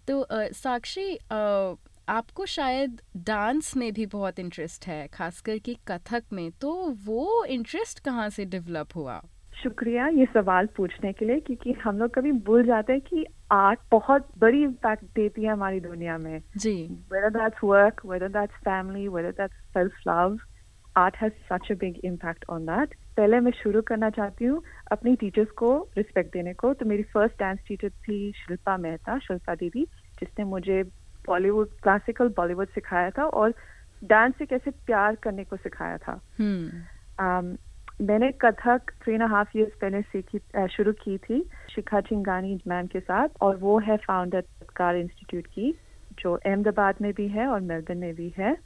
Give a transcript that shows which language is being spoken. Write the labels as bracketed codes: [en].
[hi] तो साक्षी, आपको शायद डांस में भी बहुत इंटरेस्ट है, खासकर कि कथक में, तो वो इंटरेस्ट कहाँ से डेवलप हुआ? शुक्रिया ये सवाल पूछने के लिए, क्योंकि हम लोग कभी भूल जाते हैं कि आर्ट बहुत बड़ी इम्पैक्ट देती है हमारी दुनिया में। जी, [en] whether that's work, whether that's family, whether that's self-love, art has such a big impact on that. [hi] पहले मैं शुरू करना चाहती हूँ अपनी टीचर्स को रिस्पेक्ट देने को। तो मेरी फर्स्ट डांस टीचर थी शिल्पा मेहता, शिल्पा दीदी, जिसने मुझे बॉलीवुड, क्लासिकल बॉलीवुड सिखाया था और डांस से कैसे प्यार करने को सिखाया था। मैंने कथक 3.5 ईयर्स पहले शुरू की थी शिखा चिंगानी मैम के साथ, और वो है फाउंडर तत्कार इंस्टीट्यूट की, जो अहमदाबाद में भी है और मेलबर्न में भी है।